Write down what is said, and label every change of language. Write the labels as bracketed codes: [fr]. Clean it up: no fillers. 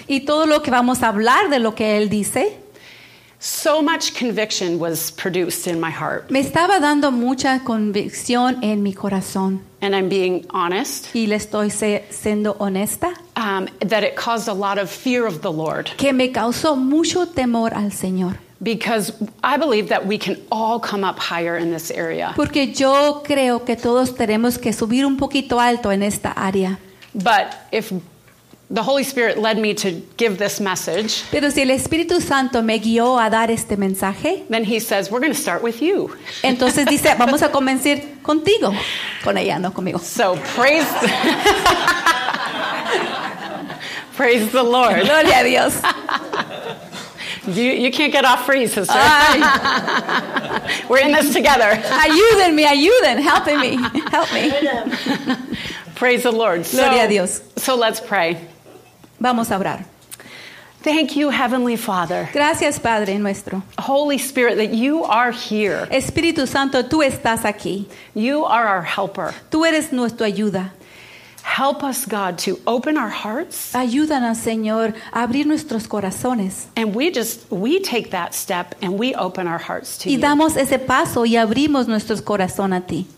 [es] Y todo lo que vamos a hablar de lo que él dice. [en] So much conviction was produced in my heart. [es] Me estaba dando mucha convicción en mi corazón. [en] And I'm being honest. [es] Y le estoy siendo honesta. [en] That it caused a lot of fear of the Lord. [es] Que me causó mucho temor al Señor. [en] Because I believe that we can all come up higher in this area. [es] Porque yo creo que todos tenemos que subir un poquito alto en esta área. [en] But if the Holy Spirit led me to give this message, [es] pero si el Espíritu Santo me guió a dar este mensaje, [en] then he says, we're going to start with you. [es] Entonces dice, vamos a comenzar contigo. Con ella, no conmigo. [en] So praise the, praise the Lord. [es] Gloria a Dios. [en] You can't get off free, sister. We're in this together. [es] Ayúdenme, [en] help me. Praise the Lord. [es] Gloria a Dios. [en] So let's pray. [es] Vamos a orar. [en] Thank you, Heavenly Father. [es] Gracias, Padre nuestro. [en] Holy Spirit, that you are here. [es] Espíritu Santo, tú estás aquí. [en] You are our helper. [es] Tú eres nuestra ayuda. [en] Help us, God, to open our hearts. [es] Ayúdanos, Señor, a abrir nuestros corazones. [en] And we take that step and we open our hearts to you. [es] Y damos ese paso y abrimos nuestros corazones a ti.